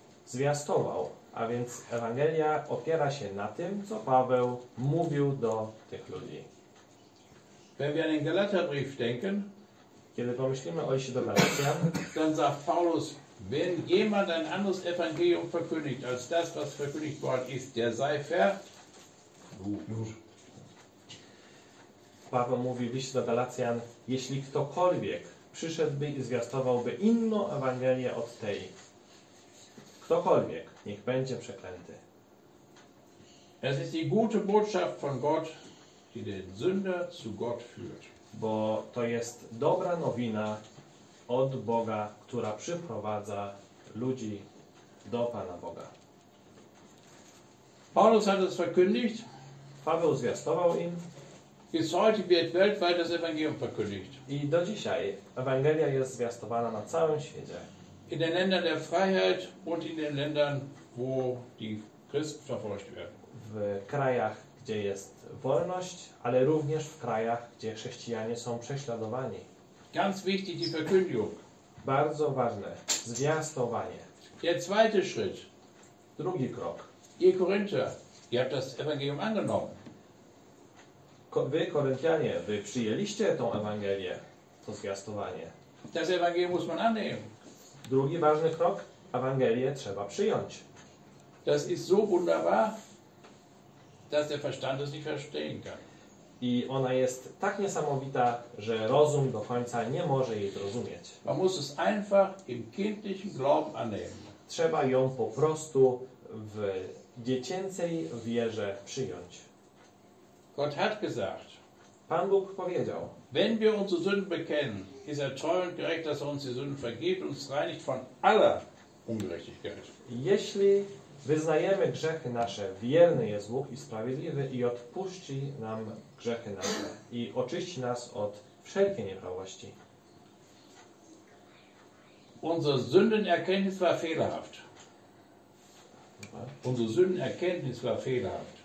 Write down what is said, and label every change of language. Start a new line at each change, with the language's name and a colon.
Polish: Zwiastował. A więc Ewangelia opiera się na tym, co Paweł mówił do tych ludzi.
German: Wenn wir an den Galaterbrief denken,
Polish: kiedy pomyślimy o liście do Galatian,
German: dann sagt Paulus, wenn jemand ein anderes Evangelium verkündigt, als das, was verkündigt worden ist, der sei verlucht.
Polish: Paweł mówi w liście do Galacjan, jeśli ktokolwiek przyszedłby i zwiastowałby inną Ewangelię od tej, ktokolwiek, niech będzie przeklęty.
German: Es ist die gute Botschaft von Gott, die den Sünder zu Gott führt.
Polish: Bo to jest dobra nowina od Boga, która przyprowadza ludzi do Pana Boga.
German: Paulus hat es verkündigt.
Polish: Paweł zwiastował im.
German: Bis heute wird weltweit das Evangelium verkündigt.
Polish: I do dzisiaj Ewangelia jest zwiastowana na całym świecie.
German: In den Ländern der Freiheit und in den Ländern, wo die Christen verfolgt werden.
Polish: W krajach, gdzie jest wolność, ale również w krajach, gdzie chrześcijanie są prześladowani.
German: Ganz wichtig die Verkündigung.
Polish: Bardzo ważne, zwiastowanie.
German: Der zweite Schritt.
Polish: Drugi krok.
German: Ihr Korinther, ihr habt das Evangelium angenommen.
Polish: Wy, Koryntianie, wy przyjęliście tą Ewangelię, to zwiastowanie.
German: Das Evangelium muss man annehmen.
Polish: Drugi ważny krok, Ewangelię trzeba przyjąć.
German: Das ist so wunderbar, dass der Verstand es nicht verstehen kann.
Polish: i ona jest tak niesamowita, że rozum do końca nie może jej zrozumieć.
German: Man muss es einfach im kindlichen Glauben annehmen.
Polish: Trzeba ją po prostu w dziecięcej wierze przyjąć.
German: Gott hat gesagt.
Polish: Pan Bóg powiedział.
German: Wenn wir unsere Sünden bekennen, ist er treu und gerecht, dass er uns die Sünden vergibt und uns reinigt von aller Ungerechtigkeit.
Polish: Jeśli wyznajemy grzechy nasze, wierny jest Bóg i sprawiedliwy i odpuści nam grzechy nasze i oczyści nas od wszelkiej nieprawości.
German: Unsere Sündenerkenntnis war fehlerhaft. Unsere Sündenerkenntnis war fehlerhaft.